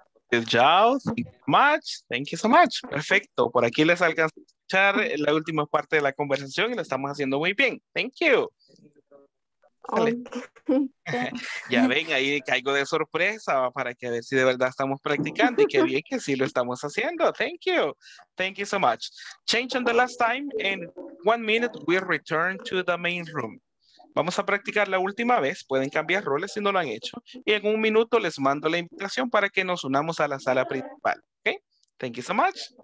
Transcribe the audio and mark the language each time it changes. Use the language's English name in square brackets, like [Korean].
[English] Good job. Thank you so much. Thank you so much. Perfecto. [Spanish] Por aquí les alcanzo a escuchar la última parte de la conversación y lo estamos haciendo muy bien. [English] Thank you. Okay. [Spanish] Ya ven, ahí caigo de sorpresa para que a ver si de verdad estamos practicando y qué bien que sí lo estamos haciendo. [English] Thank you so much. Change on the last time, in 1 minute we return to the main room. [Spanish] Vamos a practicar la última vez, pueden cambiar roles si no lo han hecho y en un minuto les mando la invitación para que nos unamos a la sala principal. [English] Okay? Thank you so much.